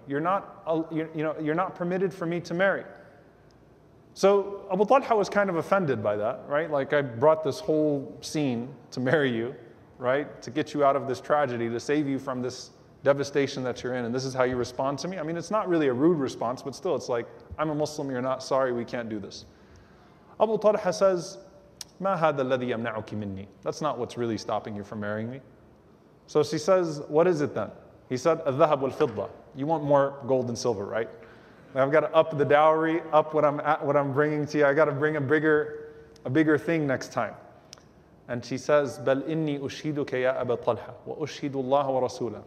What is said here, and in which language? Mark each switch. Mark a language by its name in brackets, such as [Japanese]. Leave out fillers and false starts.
[English] You're not permitted for me to marry. So Abu Talha was kind of offended by that, right? Like, I brought this whole scene to marry you, right? To get you out of this tragedy, to save you from this devastation that you're in, and this is how you respond to me? I mean, it's not really a rude response, but still, it's like, I'm a Muslim, you're not, sorry, we can't do this. [Arabic] Abu Talha says, ما هذا الذي يمنعك مني? [English] That's not what's really stopping you from marrying me. So she says, what is it then? He said, [Arabic] الذهب والفضة. [English] You want more gold and silver, right? I've got to up the dowry, up what I'm at, what I'm bringing to you. [Arabic] I got to bring a bigger thing next time. [English] And she says, [Arabic] "Bal inni ushiduka ya Abu Talha, wa ushidu Allah wa Rasula."